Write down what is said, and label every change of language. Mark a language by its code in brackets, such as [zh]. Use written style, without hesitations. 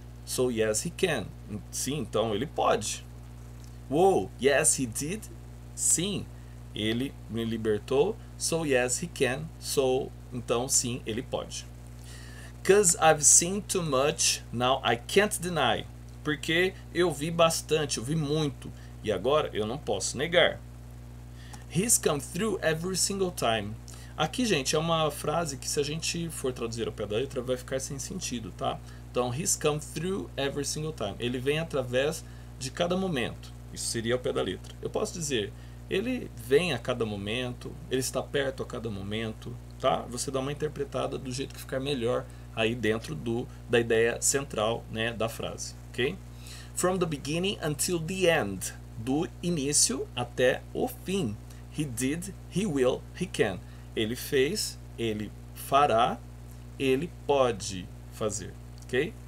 [en] So, yes, he can. [pt] Sim, então, ele pode. [en] Whoa, yes, he did. [pt] Sim, ele me libertou. [en] So, yes, he can. [pt] So, então, sim, ele pode. [en] Cause I've seen too much, now I can't deny. [pt] Porque eu vi bastante, eu vi muito. E agora eu não posso negar. [en] He's come through every single time. [pt] Aqui, gente, é uma frase que se a gente for traduzir ao pé da letra vai ficar sem sentido, tá? [en] Então, he's come through every single time. [pt] Ele vem através de cada momento. Isso seria ao pé da letra. Eu posso dizer, ele vem a cada momento, ele está perto a cada momento, tá? Você dá uma interpretada do jeito que ficar melhor aí dentro da ideia central, né, da frase, ok? [en] From the beginning until the end. [pt] Do início até o fim. [en] He did, he will, he can. [pt] Ele fez, ele fará, ele pode fazer, ok?